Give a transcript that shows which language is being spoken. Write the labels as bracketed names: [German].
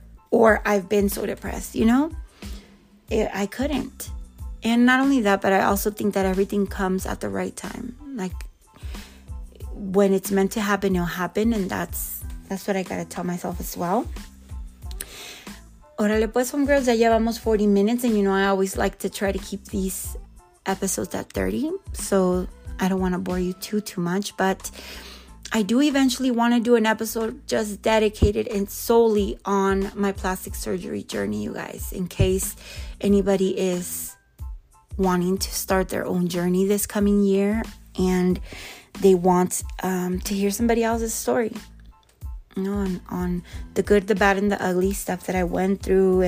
[English] Or I've been so depressed, you know? I couldn't. And not only that, but I also think that everything comes at the right time. Like, when it's meant to happen, it'll happen. And that's what I got to tell myself as well. [Spanish] Órale pues, homegirls, ya llevamos 40 minutes. [English] And, you know, I always like to try to keep these episodes at 30. So I don't want to bore you too much, but I do eventually want to do an episode just dedicated and solely on my plastic surgery journey, you guys, in case anybody is wanting to start their own journey this coming year and they want to hear somebody else's story, you know, on the good, the bad, and the ugly stuff that I went through.